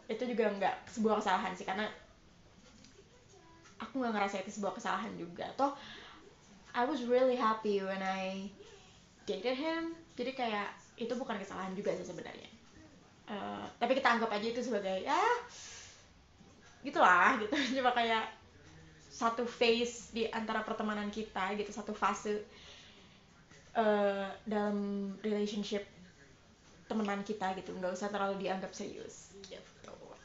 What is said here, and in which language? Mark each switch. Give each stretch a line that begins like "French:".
Indonesian: Itu juga gak sebuah kesalahan sih, karena aku gak ngerasa itu sebuah kesalahan juga.
English: Toh I was really happy when I dated him.
Indonesian: Jadi kayak itu bukan kesalahan juga sih sebenarnya. Tapi kita anggap aja itu sebagai ya gitulah gitu, cuma kayak satu phase di antara pertemanan kita gitu, satu fase dalam relationship temenan kita gitu, nggak usah terlalu dianggap serius gitu.